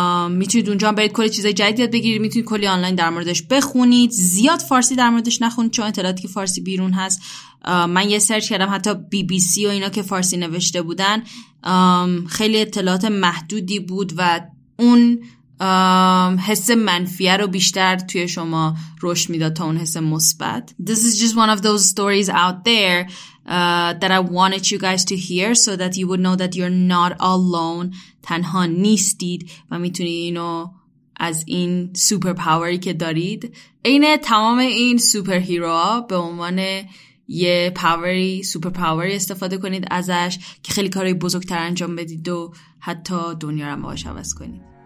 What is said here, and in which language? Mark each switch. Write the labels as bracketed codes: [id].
[fa] میتونید اونجا برید کلی چیزای جدید یاد بگیرید، میتونید کلی آنلاین در موردش بخونید، زیاد فارسی در موردش نخونید چون اطلاعاتی که فارسی بیرون هست، من یه سرچ کردم حتی بی بی سی و اینا که فارسی نوشته بودن خیلی اطلاعات محدودی بود و اون حس منفیه رو بیشتر توی شما روش میداد تا اون حس مثبت. [en] This is just one of those stories out there that I wanted you guys to hear so that you would know that you're not alone. [fa] تنها نیستید و میتونید اینو از این سوپر پاوری که دارید، این تمام این سوپر هیرو ها به عنوان یه پاوری، سوپر پاوری استفاده کنید ازش که خیلی کارای بزرگتر انجام بدید و حتی دنیا رو هم باهاش عوض کنید.